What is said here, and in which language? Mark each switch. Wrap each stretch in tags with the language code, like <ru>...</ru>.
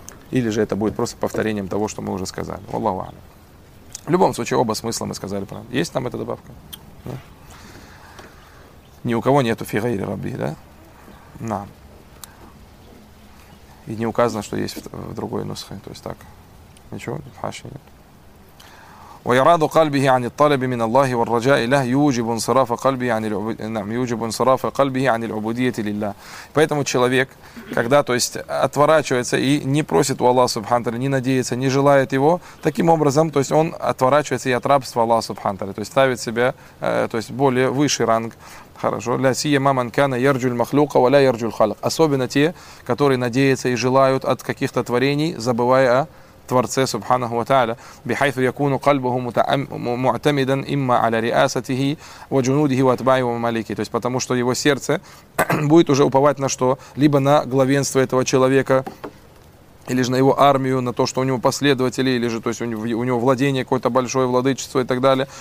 <ru>Или же это будет просто повторением того, что мы уже сказали. Валлаху а'лам. В любом случае, оба смысла мы сказали правильно. Есть там эта добавка? Да? Ни у кого нету фигайри рабби, да? На. И не указано, что есть в другой нусхе. То есть так. Ничего, в хаше нет.</ru> <ar>ويراد قلبه عن الطلب من الله والرجاء له يوجب انصراف قلبه عن نعم يوجب انصراف قلبه عن العبودية لله.</ar> <ru>Поэтому человек, когда, то есть, отворачивается и не просит у Аллаха Субхану Тааля, не надеется, не желает его, таким образом, то есть, он отворачивается и от рабства Аллаха Субхану Тааля, то есть, ставит себя, то есть, более высший ранг. Хорошо.</ru> <ar>لا سيما من كان يرجو المخلوق ولا يرجو الخالق.</ar> <ru>Особенно те, которые надеются и желают от каких-то творений, забывая о творце субханаху ва тааля, بحيث يكون قلبه معتمدا اما على رئاسته وجنوده واتباعه ومالكه. То есть потому что его сердце будет уже уповать на что? Либо на главенство этого человека, или же на его армию, на то, что у него последователи, или же, то есть, у него владение какое-то большое, владычество и так далее.</ru>